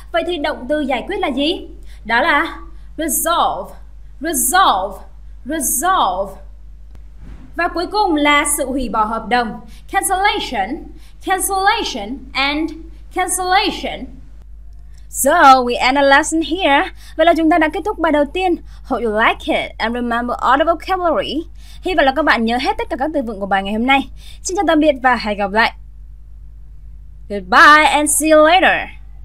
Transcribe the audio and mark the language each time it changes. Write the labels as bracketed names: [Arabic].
[Vietnamese] Vậy thì động từ giải quyết là gì? Đó là resolve. Resolve. Resolve. Và cuối cùng là sự hủy bỏ hợp đồng. [English] Cancellation. Cancellation and cancellation. So, we end a lesson here. [Vietnamese] Vậy là chúng ta đã kết thúc bài đầu tiên. [English] Hope you like it and remember all the vocabulary. [Vietnamese] Hy vọng là các bạn nhớ hết tất cả các từ vựng của bài ngày hôm nay. Xin chào tạm biệt và hẹn gặp lại. [English] Goodbye and see you later.